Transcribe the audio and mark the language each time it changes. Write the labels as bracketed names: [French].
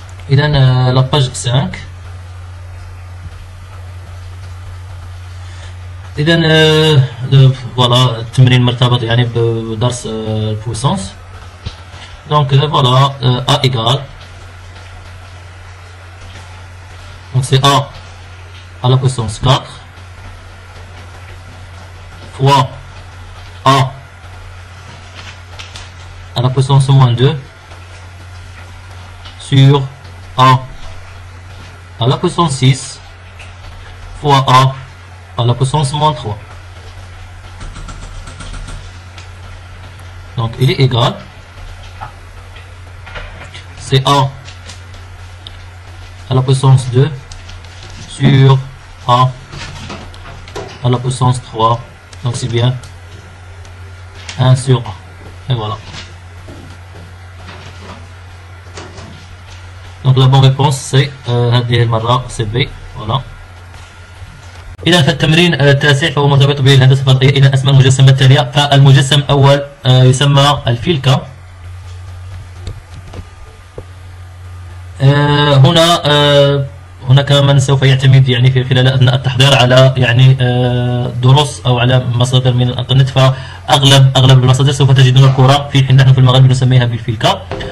[Arabic] اذا لاباج 5. اذا فوالا التمرين مرتبط يعني بدرس البويسونس. [French] دونك فوالا ا ايكال سي A à la puissance 4 fois A à la puissance moins 2 sur A à la puissance 6 fois A à la puissance moins 3. Donc il est égal c'est A à la puissance 2 sur A à la puissance 3, donc c'est bien 1 sur A, et voilà. Donc la bonne réponse c'est [Arabic] هذه المرة [French] c'est B, voilà. [Arabic] إذا فالتمرين التاسع فهو مرتبط بالهندسة الفضائية. إذا أسماء المجسم التالية، فالمجسم الأول يسمى الفيلكا. هنا هناك من سوف يعتمد يعني في خلال اثناء التحضير على يعني دروس او على مصادر من الانترنت، فاغلب المصادر سوف تجدون الكره، في حين نحن في المغرب نسميها بالفيلكا.